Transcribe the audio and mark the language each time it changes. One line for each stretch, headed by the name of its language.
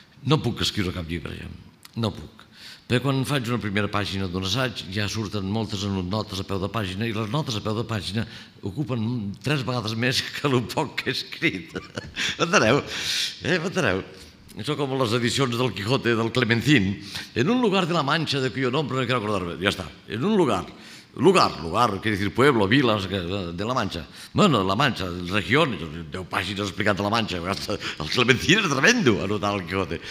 Catalan: No puc escriure cap llibre, ja, no puc. Però quan faig una primera pàgina d'un assaig ja surten moltes notes a peu de pàgina i les notes a peu de pàgina ocupen tres vegades més que el poc que he escrit. M'entareu? Això com les edicions del Quijote del Clementín.
Spanish: En un lugar de la Mancha de cuyo nombre no quiero acordarme.
Catalan: Ja està.
Spanish: En un lugar.
Catalan: Lugar, què dir, pueblo, vila, de la Mancha. Bueno, la Mancha, regió, 10 pàgines explicant de la Mancha. El Clementín és tremendo, anotar el Quijote.